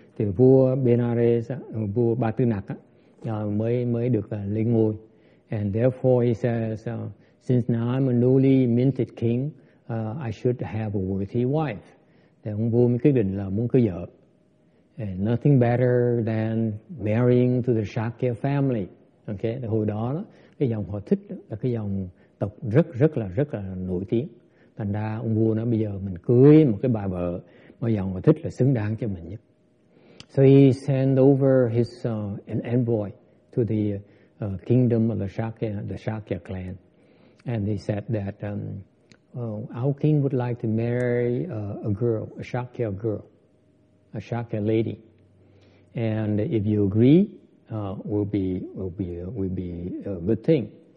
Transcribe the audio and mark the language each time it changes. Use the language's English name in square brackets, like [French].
[Vietnamese] Thì vua Benares, vua Ba Tư Nặc mới được lên ngôi. [English] And therefore he says, since now I'm a newly minted king, I should have a worthy wife. [Vietnamese] Thì ông vua mới quyết định là muốn cưới vợ. [English] And nothing better than marrying to the Shakya family. [Vietnamese] Okay, thì hồi đó cái dòng họ thích là cái dòng tộc rất là nổi tiếng. Thành ra ông vua nói bây giờ mình cưới một cái bà vợ mà dòng họ thích là xứng đáng cho mình nhất. [English] So he sent over his an envoy to the kingdom of the Shakya clan, and he said that our king would like to marry a Shakya lady, and if you agree, will be a good thing.